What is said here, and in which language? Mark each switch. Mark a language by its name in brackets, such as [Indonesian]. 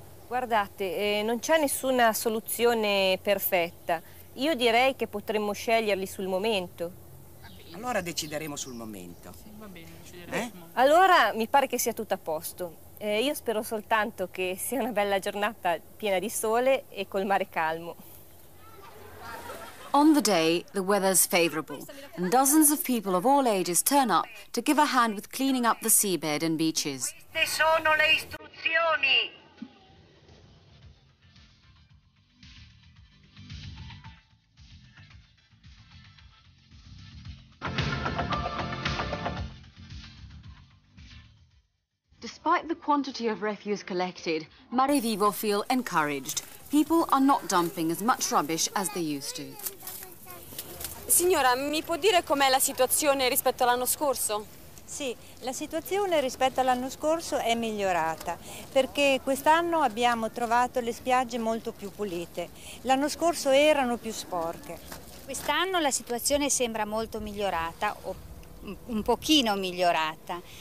[Italian] Guardate, non c'è nessuna soluzione perfetta. Io direi che potremmo sceglierli sul momento. Allora decideremo sul momento. Sì, va bene, decideremo. Allora mi pare che sia tutto a posto. Io spero soltanto che sia una bella giornata piena di sole e col mare calmo. [English] On the day, the weather's favorable, and dozens of people of all ages turn up to give a hand with cleaning up the seabed and beaches. [Italian] Queste sono le istruzioni. [English] Despite the quantity of refuse collected, Mare Vivo feel encouraged. People are not dumping as much rubbish as they used to. [Italian] Signora, mi può dire com'è la situazione rispetto all'anno scorso? Sì, la situazione rispetto all'anno scorso è migliorata perché quest'anno abbiamo trovato le spiagge molto più pulite. L'anno scorso erano più sporche. Quest'anno la situazione sembra molto migliorata, o un pochino migliorata.